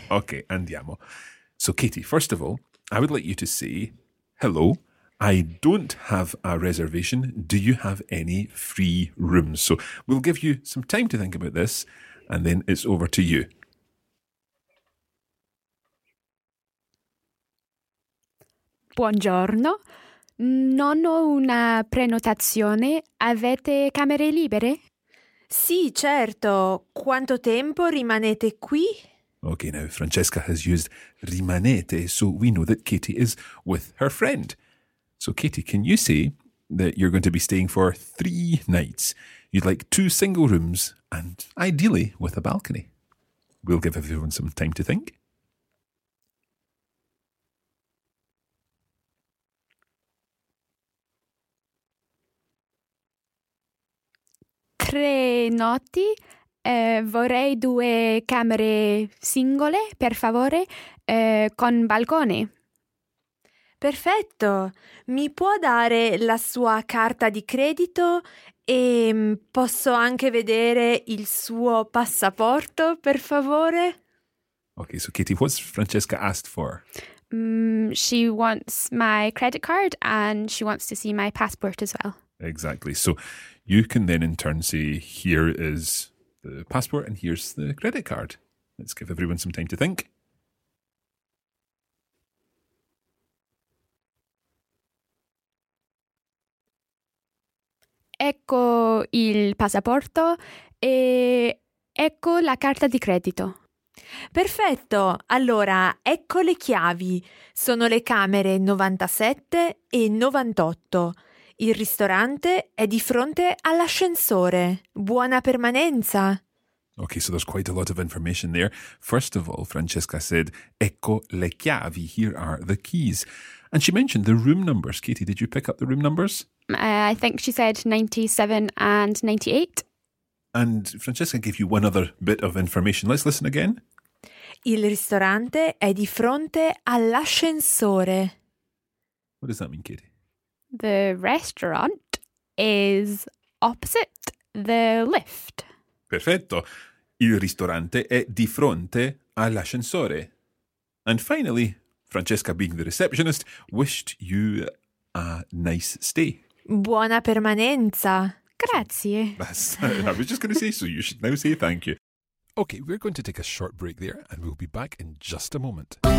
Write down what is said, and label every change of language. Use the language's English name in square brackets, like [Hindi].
[Italian] Okay, andiamo. [English] So Katie, first of all, I would like you to say, hello, I don't have a reservation. Do you have any free rooms? So we'll give you some time to think about this and then it's over to you. [Italian] Buongiorno, non ho una prenotazione. Avete camere libere? Sì, certo. Quanto tempo rimanete qui? [English] Okay, now Francesca has used rimanete, so we know that Katie is with her friend. So Katie, can you say that you're going to be staying for 3 nights? You'd like 2 single rooms and ideally with a balcony. We'll give everyone some time to think. [Italian] Tre notti, vorrei 2 camere singole, per favore, con balcone. Perfetto, mi può dare la sua carta di credito e posso anche vedere il suo passaporto, per favore? [English] Okay, so Katie, what's Francesca asked for? She wants my credit card and she wants to see my passport as well. Exactly. So you can then in turn say, here is the passport and here's the credit card. Let's give everyone some time to think. [Italian] Ecco il passaporto e ecco la carta di credito. Perfetto. Allora, ecco le chiavi. Sono le camere 97 e 98. Il ristorante è di fronte all'ascensore. Buona permanenza. [English] Okay, so there's quite a lot of information there. First of all, Francesca said, [Italian] ecco le chiavi, [English] here are the keys. And she mentioned the room numbers. Katie, did you pick up the room numbers? I think she said 97 and 98. And Francesca gave you one other bit of information. Let's listen again. [Italian] Il ristorante è di fronte all'ascensore. [English] What does that mean, Katie? The restaurant is opposite the lift. [Italian] Perfetto. Il ristorante è di fronte all'ascensore. [English] And finally, Francesca, being the receptionist, wished you a nice stay. [Italian] Buona permanenza. Grazie. [English] I was just going to say, so you should now say thank you. Okay, we're going to take a short break there and we'll be back in just a moment.